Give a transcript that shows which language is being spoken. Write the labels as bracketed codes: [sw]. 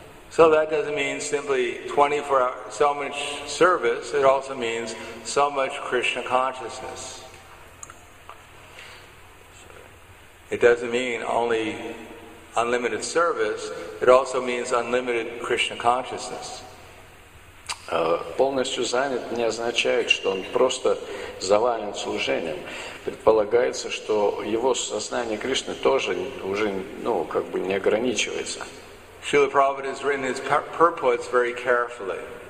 [en] So that doesn't mean simply 24 hours, so much service, it also means so much Krishna consciousness. It doesn't mean only unlimited service, it also means unlimited Krishna consciousness. [ru] Полностью занят не означает, что он просто завален служением. Предполагается, что его сознание Кришны тоже уже, ну, как бы не ограничивается. [en] Srila Prabhupada has written his purports very carefully.